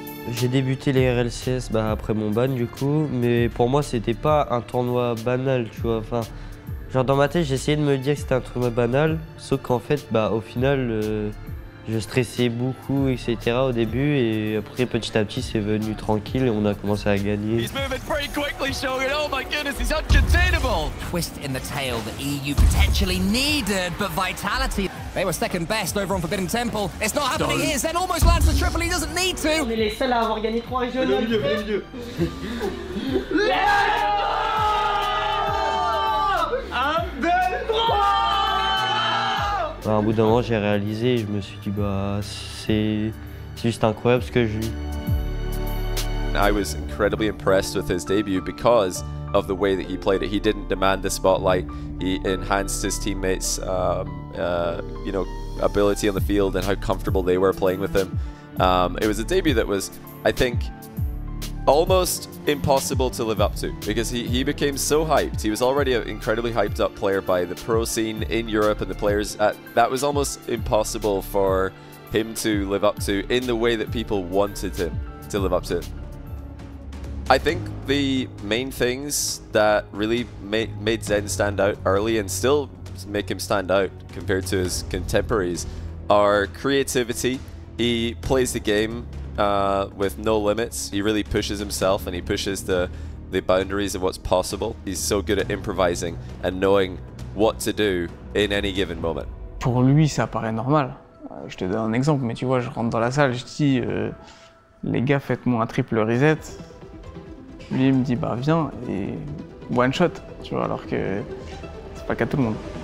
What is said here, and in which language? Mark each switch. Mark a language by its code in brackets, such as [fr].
[fr] J'ai débuté les RLCS bah, après mon ban, du coup, mais pour moi, c'était pas un tournoi banal, tu vois. Enfin, genre dans ma tête, j'essayais de me dire que c'était un tournoi banal, sauf qu'en fait, bah, au final, je stressais beaucoup, etc. au début, et après, petit à petit, c'est venu tranquille et on a commencé à gagner. Il est [en] moving pretty quickly, showing it. Oh my goodness, he's uncontainable! Twist in the tail that EU potentially needed, but Vitality. They were second best over on Forbidden Temple. It's not happening here. Zen almost lands the triple. He doesn't need to. [fr] On est les seuls à avoir gagné 3 régionaux. Le mieux, le mieux. [en] Let's go! [fr] Un, deux, trois! Bah, un bout d'un moment, j'ai réalisé. Je me suis dit, c'est juste incroyable ce que je vis. [en] I was incredibly impressed with his debut because of the way that he played it. He didn't demand the spotlight. He enhanced his teammates' ability on the field and how comfortable they were playing with him. It was a debut that was, I think, almost impossible to live up to because he became so hyped. He was already an incredibly hyped up player by the pro scene in Europe and the players. That was almost impossible for him to live up to in the way that people wanted him to live up to. I think the main things that really made Zen stand out early and still make him stand out compared to his contemporaries are creativity. He plays the game with no limits. He really pushes himself and he pushes the boundaries of what's possible. He's so good at improvising and knowing what to do in any given moment. [fr] Pour lui, ça paraît normal. Je te donne un exemple, mais tu vois, je rentre dans la salle, je dis les gars, faites-moi un triple reset. Lui, il me dit, viens, et one shot, tu vois, alors que c'est pas le cas de tout le monde.